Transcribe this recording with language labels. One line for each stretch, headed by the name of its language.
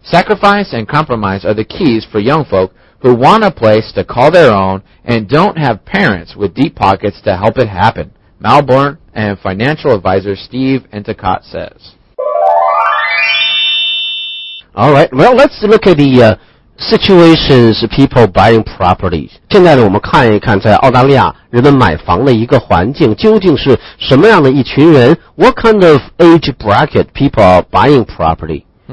English: Sacrifice and compromise are the keys for young folk who want a place to call their own and don't have parents with deep pockets to help it happen. Melbourne and financial advisor Steve Endicott says. All right, well, let's look at the situations people buying properties.
Chinese: 现在呢，我们看一看在澳大利亚人们买房的一个环境究竟是什么样的一群人。
English: What kind of age bracket people are buying property?